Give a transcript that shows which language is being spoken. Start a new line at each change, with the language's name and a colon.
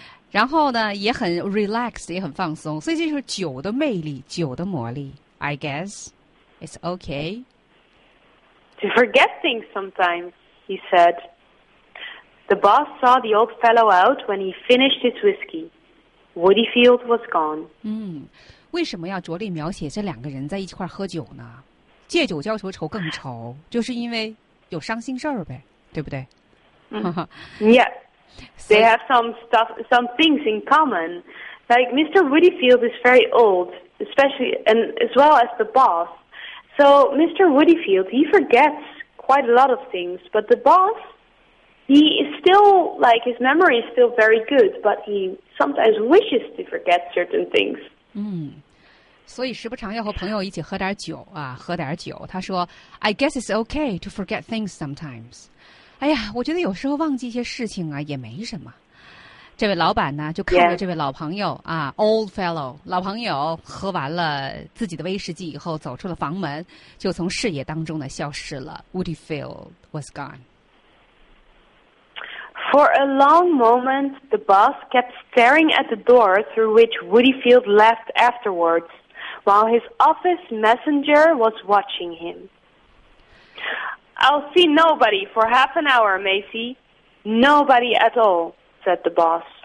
Chinese: 然后呢，也很 relaxed， 也很放松，所以这就是酒的魅力，酒的魔力。
English: I guess it's okay to forget things sometimes, he said. The boss saw the old fellow out when he finished his whiskey. Woodfield was gone.
Chinese: 为什么要着力描写这两个人在一块喝酒呢？借酒浇愁愁更愁，就是因为有伤心事儿呗，对不对？
English: Yeah. They have some things in common. Like Mr. Woodfield is very old, especially and as well as the boss. So Mr. Woodfield, he forgets quite a lot of things, but the boss, he is still, like, his memory is still very good, but he sometimes wishes to forget certain things.
Chinese: 所以时不常要和朋友一起喝点酒啊，喝点酒。他说
English: I guess it's okay to forget things sometimes.
Chinese: 哎呀，我觉得有时候忘记一些事情啊，也没什么。这位老板呢，就看着这位老朋友啊 ，
English: old fellow
Chinese: 老朋友，喝完了自己的威士忌以后，走出了房门，就从视野当中呢消失了。
English: Woodfield was gone. For a long moment, the boss kept staring at the door through which Woodfield left afterwards, while his office messenger was watching him. I'll see nobody for half an hour, Macy. Nobody at all, said the boss.